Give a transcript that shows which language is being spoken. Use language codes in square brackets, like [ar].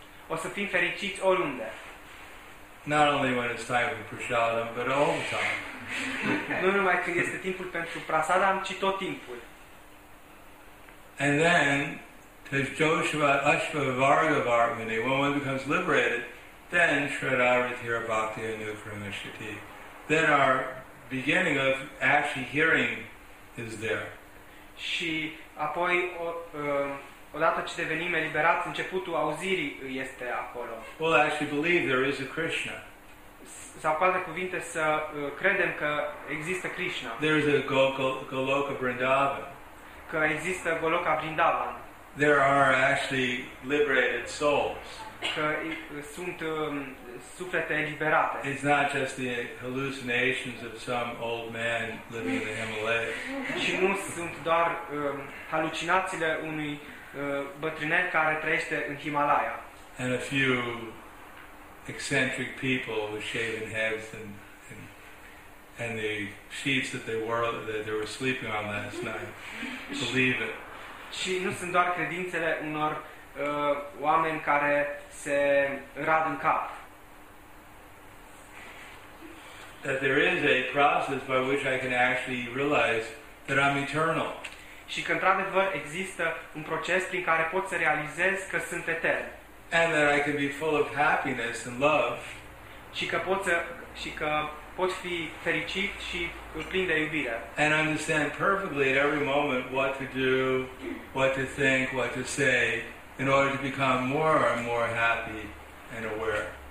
[ro] O să fim fericiți oriunde. [en] Not only when it's time for prasadam, but all the time. [ro] Nu numai când este timpul pentru prasadam, ci tot timpul. [en] And then, Tejoshva Ashvavargavarmini, when one becomes liberated, then Shradharatira Bhakti Anukramishati. Then our beginning of actually hearing is there. [ro] Și apoi, odată ce devenim eliberați, începutul auzirii este acolo. [en] Well, actually believe there is a Krishna. [ro] Sau cu alte cuvinte, să credem că există Krishna. [en] There is a Goloka Vrindavan. [ro] Că există Goloka Vrindavan. [en] There are actually liberated souls. [ro] Că sunt suflete eliberate. [en] It's not just the hallucinations of some old man living in the Himalayas. [ro] Și nu sunt doar halucinațiile unui bătrânel care trăiește în Himalaya. [en] And a few eccentric people with shaven heads and the sheets that they were sleeping on last night. Believe it. [ro] Și nu sunt doar credințele unor oameni care se rad în cap. [en] That there is a process by which I can actually realize that I'm eternal. [ro] Și că într-adevăr există un proces prin care pot să realizez că sunt etern. [en] And that I can be full of happiness and love. [ro] Și că pot să, și că pot fi fericit și plin de iubire. [en] And understand perfectly at every moment what to do, what to think, what to say, in order to become more and more happy and aware.